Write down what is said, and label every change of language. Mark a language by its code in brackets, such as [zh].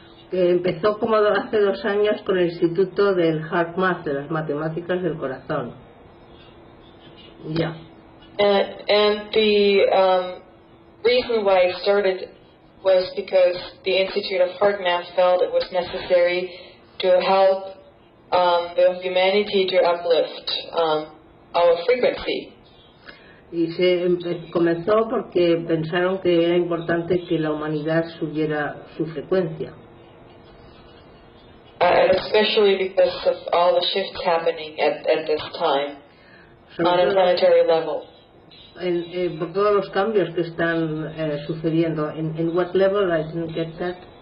[es] Empezó como hace 2 años con el Instituto del Heart Math, de las matemáticas del corazón. [en] Yeah. And the reason why it started was because the Institute of Heart Math felt it was necessary to help the humanity to uplift our frequency. [es] Y se comenzó porque pensaron que era importante que la humanidad subiera su frecuencia. [en] Especially because of all the shifts happening at this time. On a planetary level. [es] En todos los cambios que están sucediendo. [en] In what level? I didn't get that.